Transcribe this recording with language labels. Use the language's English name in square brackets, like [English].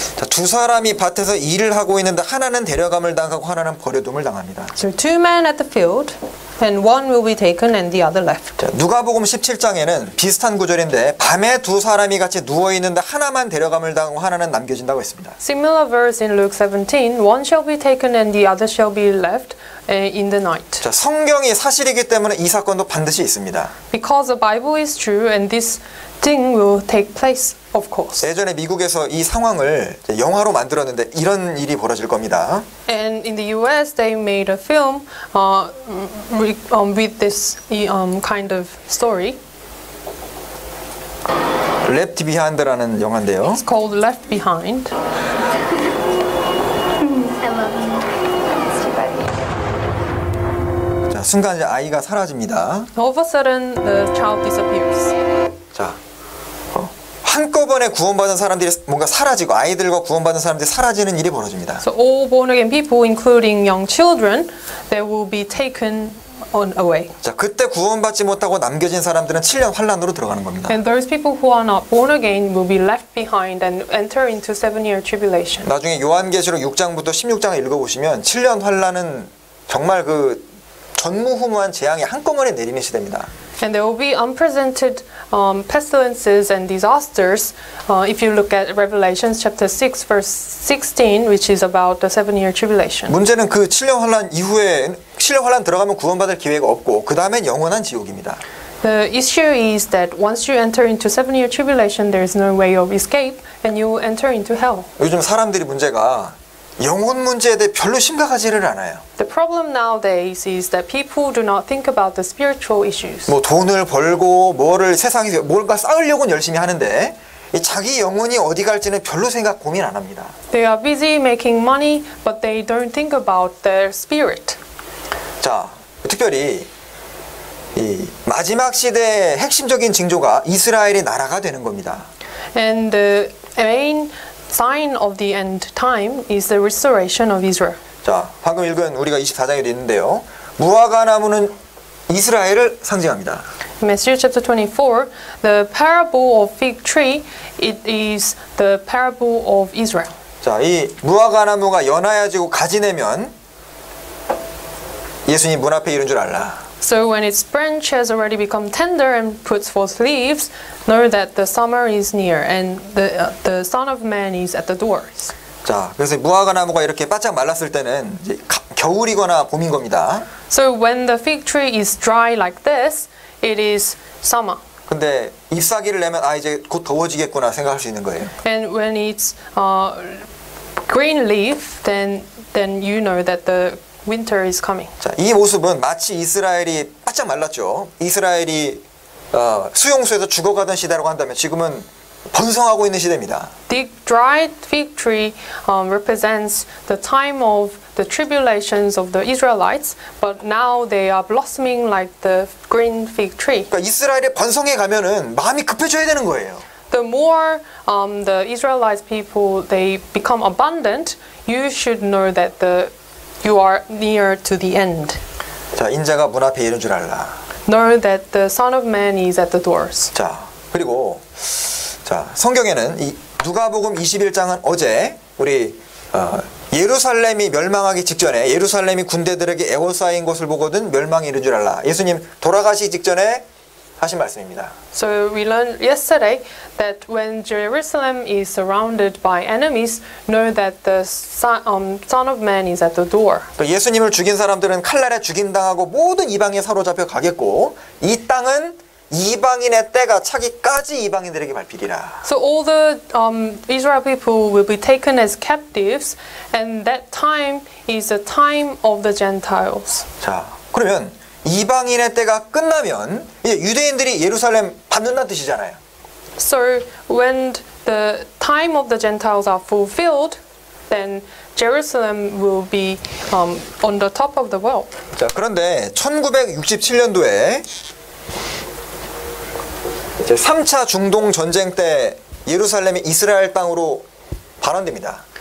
[Korean] 두 사람이 밭에서 일을 하고 있는데 하나는 데려감을 당하고 하나는 버려둠을 당합니다. [English] So two men at the field, and one will be taken and the other left. [Korean] 누가복음 17장에는 비슷한 구절인데 밤에 두 사람이 같이 누워 있는데 하나만 데려감을 당하고 하나는 남겨진다고 했습니다. [English] Similar verse in Luke 17, one shall be taken and the other shall be left in the night. [Korean] 자, 성경이 사실이기 때문에 이 사건도 반드시 있습니다. [English] Because the Bible is true and this thing will take place. Of course. [Korean] 예전에 미국에서 이 상황을 영화로 만들었는데 이런 일이 벌어질 겁니다. [English] And in the US they made a film with this kind of story. [Korean] Left Behind라는 영화인데요. [English] It's called Left Behind. I love you. [Korean] 자, 순간 이제 아이가 사라집니다. [English] All of a sudden the child disappears. [Korean] 자. 한꺼번에 구원받은 사람들이 뭔가 사라지고 아이들과 구원받은 사람들이 사라지는 일이 벌어집니다. [English] So all born again people including young children they will be taken on away. [Korean] 자, 그때 구원받지 못하고 남겨진 사람들은 7년 환란으로 들어가는 겁니다. [English] And those people who are not born again will be left behind and enter into seven-year tribulation. [Korean] 나중에 요한계시록 6장부터 16장을 읽어 보시면 7년 환란은 정말 그 전무후무한 재앙이 한꺼번에 내리는 시대입니다. [English] And there will be unprecedented pestilences and disasters if you look at Revelation chapter 6 verse 16 which is about the seven-year tribulation. [Korean] 문제는 그 7년 환란 이후에 7년 환란 들어가면 구원받을 기회가 없고 그 다음엔 영원한 지옥입니다. [English] The issue is that once you enter into seven-year tribulation there is no way of escape and you enter into hell. [Korean] 요즘 사람들이 문제가 영혼 문제에 대해 별로 심각하지를 않아요. [English] The problem nowadays is that people do not think about the spiritual issues. [Korean] 뭐 돈을 벌고 뭐를 세상에서 뭔가 쌓으려고는 열심히 하는데 이 자기 영혼이 어디 갈지는 별로 생각 고민 안 합니다. [English] They are busy making money, but they don't think about their spirit. [Korean] 자, 특별히 이 마지막 시대의 핵심적인 징조가 이스라엘이 나라가 되는 겁니다. [English] And the main sign of the end time is the restoration of Israel. [Korean] 자, 방금 읽은 우리가 24장에도 있는데요. 무화과나무는 이스라엘을 상징합니다. [English] Matthew chapter 24, the parable of fig tree, it is the parable of Israel. [Korean] 자, 이 무화과나무가 연하여지고 가지내면 예수님 문 앞에 이른 줄 알라. [English] So when its branch has already become tender and puts forth leaves, know that the summer is near and the Son of Man is at the doors. [Korean] 자, 그래서 무화과 나무가 이렇게 바짝 말랐을 때는 이제 겨울이거나 봄인 겁니다. [English] So when the fig tree is dry like this, it is summer. [Korean] 근데 잎사귀를 내면 아 이제 곧 더워지겠구나 생각할 수 있는 거예요. [English] And when it's green leaf, then you know that the winter is coming. [Korean] 자, 이 모습은 마치 이스라엘이 바짝 말랐죠. 이스라엘이 수용소에서 죽어가던 시대라고 한다면 지금은 번성하고 있는 시대입니다. [English] The dried fig tree represents the time of the tribulations of the Israelites, but now they are blossoming like the green fig tree. [Korean] 그러니까 이스라엘이 번성해 가면은 마음이 급해져야 되는 거예요. [English] The more the Israelite people they become abundant, you should know that the you are near to the end. [Korean] 자, 인자가 문 앞에 이른 줄 알라. [English] Know that the Son of Man is at the doors. [Korean] 자, 그리고 자, 성경에는 이 누가복음 21장은 어제 우리 예루살렘이 멸망하기 직전에 예루살렘이 군대들에게 애호사인 것을 보거든 멸망이 이른 줄 알라. 예수님 돌아가시기 직전에 하신 말씀입니다. [English] So we learned yesterday that when Jerusalem is surrounded by enemies, know that the Son of Man is at the door. [Korean] 또 예수님을 죽인 사람들은 칼날에 죽임당하고 모든 이방에 사로잡혀 가겠고 이 땅은 이방인의 때가 차기까지 이방인들에게 밟히리라. [English] So all the Israel people will be taken as captives, and that time is the time of the Gentiles. [Korean] 자, 그러면 이방인의 때가 끝나면 이제 유대인들이 예루살렘 받는다는 뜻이잖아요. [English] So when the time of the Gentiles are fulfilled, then Jerusalem will be on the top of the world. [Korean] 자, 그런데 1967년도에 이제 3차 중동 전쟁 때 예루살렘이 이스라엘 땅으로 반환됩니다.